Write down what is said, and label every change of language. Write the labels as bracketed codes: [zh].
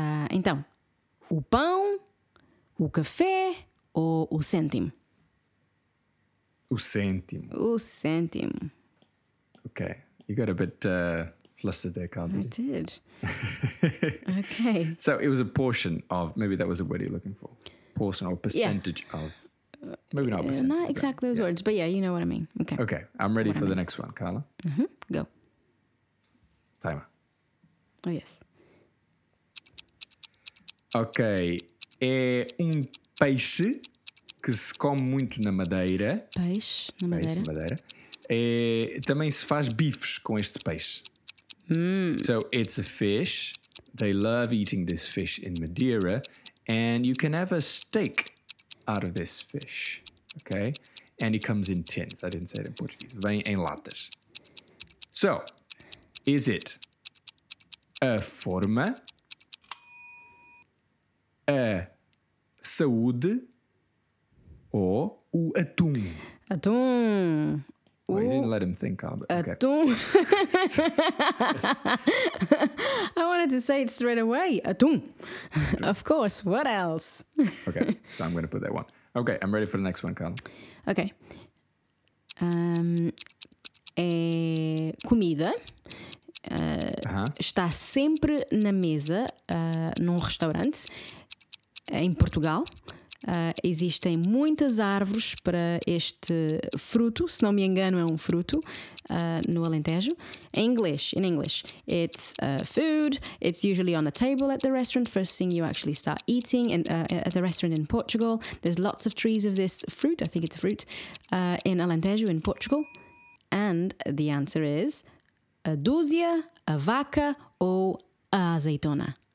[pt] Então, o pão, o café ou o cêntimo? O cêntimo. O cêntimo. [en] Okay, you got a bit flustered there, Carla. I did. Okay. So it was a portion of, maybe that was a word you're looking for. Portion or percentage, yeah, of. Maybe not a percentage. Not exactly those, yeah, words, but yeah, you know what I mean. Okay. Okay, I'm ready for the next one, Carla. Mm-hmm. Go. Timer. Oh, yes. [pt] Ok, é um peixe que se come muito na Madeira. Peixe na Madeira. Peixe na Madeira. É, também se faz bifes com este peixe. [en] So it's a fish. They love eating this fish in Madeira. And you can have a steak out of this fish. Ok? And it comes in tins. I didn't say it in Portuguese. [pt] Vem em latas. [en] So, is it [pt] a forma, a saúde ou o atum? Atum. [en] Well, you didn't let him think, Carl, but okay. Atum. I wanted to say it straight away. Atum. Of course. What else? Okay. So I'm going to put that one. Okay. I'm ready for the next one, Carl. Okay. [pt] É comida. Está sempre na mesa num restaurante. Em Portugal, existem muitas árvores para este fruto, se não me engano é um fruto, no Alentejo. Em inglês, [en] in English, it's food, it's usually on the table at the restaurant, first thing you actually start eating in, at the restaurant in Portugal. There's lots of trees of this fruit, I think it's a fruit, in Alentejo, in Portugal. And the answer is [pt] a dúzia, a vaca ou a azeitona.